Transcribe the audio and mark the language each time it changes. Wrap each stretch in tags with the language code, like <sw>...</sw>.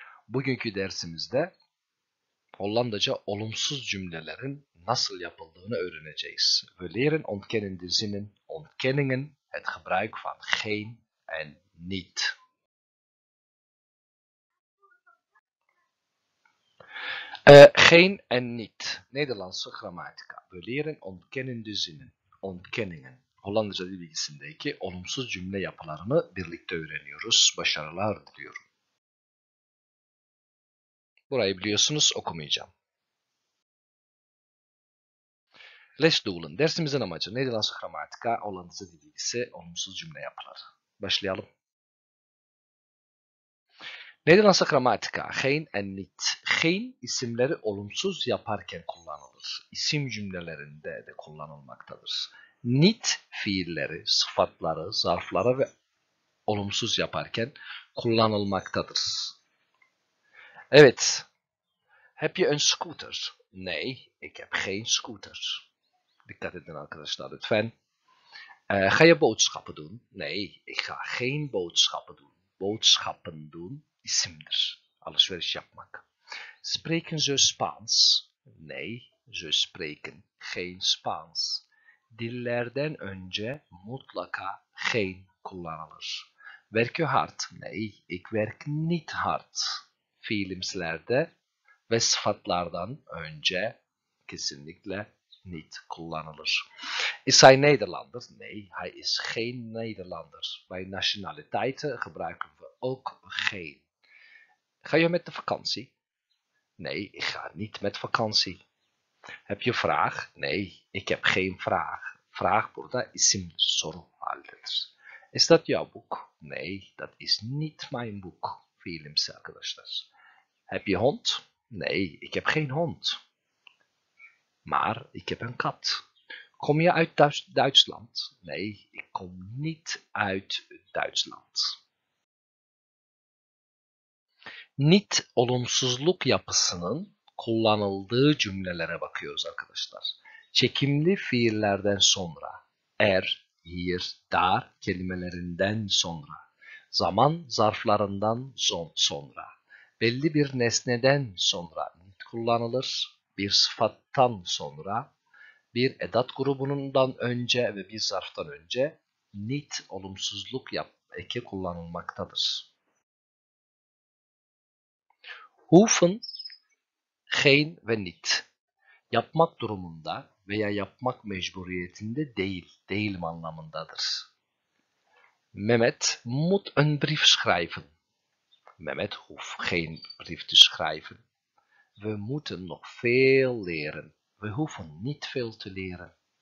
<tr>Bugünkü dersimizde Hollandaca olumsuz cümlelerin nasıl yapıldığını öğreneceğiz.</tr> <nl>We leren ontkennen de zinnen ontkenningen, het gebruik van geen en niet. Geen en niet. Nederlandse grammatica. We leren ontkennen de zinnen, ontkenningen.</nl> <tr>Hollandaca dil bilgisindeki olumsuz cümle yapılarını birlikte öğreniyoruz. Başarılar diliyorum. Burayı biliyorsunuz, okumayacağım.</tr> <nl>Les doelen.</nl> <tr>Dersimizin amacı Nederlandse gramatika, Hollandaca dil bilgisi, olumsuz cümle yapıları. Başlayalım.</tr> <nl>Nederlandse gramatika, geen en niet.</nl> <tr>Geen isimleri olumsuz yaparken kullanılır. İsim cümlelerinde de kullanılmaktadır. Niet fiilleri, sıfatları, zarfları ve olumsuz yaparken kullanılmaktadır. Evet.</tr> <nl>Heb je een scooter? Nee, ik heb geen scooter.</nl> <tr>Dikkat edin arkadaşlar lütfen.</tr> <nl>Ga je boodschappen doen? Nee, ik ga geen boodschappen doen. Boodschappen doen</nl> <tr>isimdir. Alışveriş yapmak.</tr> <nl>Spreken ze Spaans? Nee, ze spreken geen Spaans.</nl> <tr>Dillerden önce mutlaka geen kullanılır.</tr> <nl>Werk je hard? Nee, ik werk niet hard.</nl> <tr>Fiilimslerde ve sıfatlardan önce kesinlikle niet kullanılır.</tr> <nl>Is hij Nederlander? Nee, hij is geen Nederlander. Bij nationaliteiten gebruiken we ook geen. Ga je met de vakantie? Nee, ik ga niet met vakantie. Heb je vraag? Nee, ik heb geen vraag.</nl> <tr>Vraag burada isim soru halidedir.</tr> <nl>Is dat jouw boek? Nee, dat is niet mijn boek.</nl> <tr>Fiilimsi arkadaşlar.</tr> <nl>Heb je hond? Nee, ik heb geen hond. Maar ik heb een kat. Kom je uit Duitsland? Nee, ik kom niet uit Duitsland.</nl> <tr>Niet olumsuzluk yapısının kullanıldığı cümlelere bakıyoruz arkadaşlar. Çekimli fiillerden sonra, here, daar kelimelerinden sonra, zaman zarflarından sonra, belli bir nesneden sonra kullanılır, bir sıfattan sonra, bir edat grubundan önce ve bir zarftan önce niet olumsuzluk yap eki kullanılmaktadır. Hoeven, geen ve niet. Yapmak durumunda veya yapmak mecburiyetinde değil, değilim anlamındadır.</tr> <nl>Mehmet moet een brief schrijven. Mehmet hoeft geen brief te schrijven. We moeten nog veel leren. We hoeven niet veel te leren.</nl>